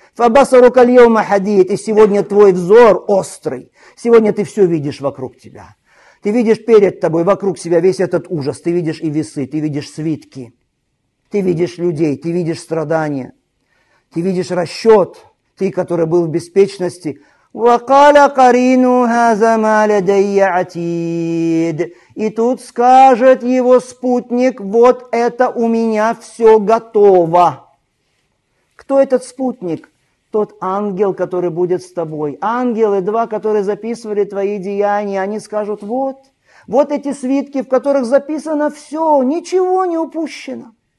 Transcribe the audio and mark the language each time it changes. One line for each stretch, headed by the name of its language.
Arabic: «Фабасарука льяума хадид».
Russian: И сегодня твой взор острый. Сегодня ты все видишь вокруг тебя. Ты видишь перед тобой, вокруг себя весь этот ужас. Ты видишь и весы, ты видишь свитки. Ты видишь людей, ты видишь страдания. Ты видишь расчет. Ты, который был в беспечности,
Arabic: وقال قرينه هذا ما لدي عتيد.
Russian: И тут скажет его спутник: вот это у меня все готово. Кто этот спутник? Тот ангел, который будет с тобой. Ангелы два, которые записывали твои деяния, они скажут: вот, вот эти свитки, в которых записано все, ничего не упущено.